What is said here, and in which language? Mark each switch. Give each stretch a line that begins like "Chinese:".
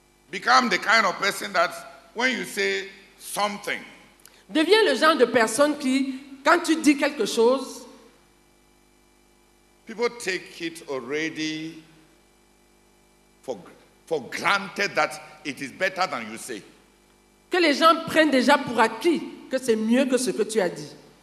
English: Become the kind of person that when you say something,
French: deviens le genre de personne qui, quand tu dis quelque chose,
English: people take it already for granted that it is better than you say.
French: Que les gens prennent déjà pour acquis que c'est mieux que ce que tu as dit.